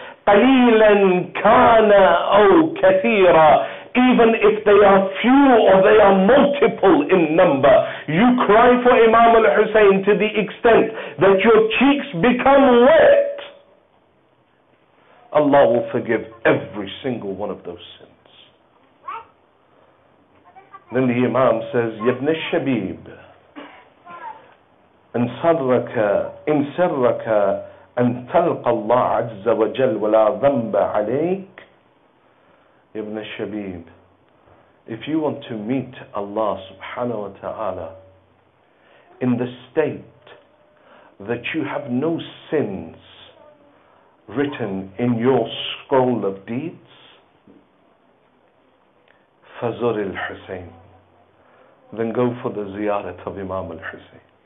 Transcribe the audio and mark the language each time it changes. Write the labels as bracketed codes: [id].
[ar] قليلا كان أو كثيرا, [en] even if they are few or they are multiple in number. You cry for Imam al-Hussein to the extent that your cheeks become wet. Allah will forgive every single one of those sins. Then the Imam says, [ar] يبن الشبيب إن سرك إن سرك أن تلقى الله عز وجل ولا ذنب عليك. [en] Ibn al-Shabib, if you want to meet Allah subhanahu wa ta'ala in the state that you have no sins written in your scroll of deeds, [ar] فزر الحسين, [en] then go for the ziyarat of Imam al-Hussein.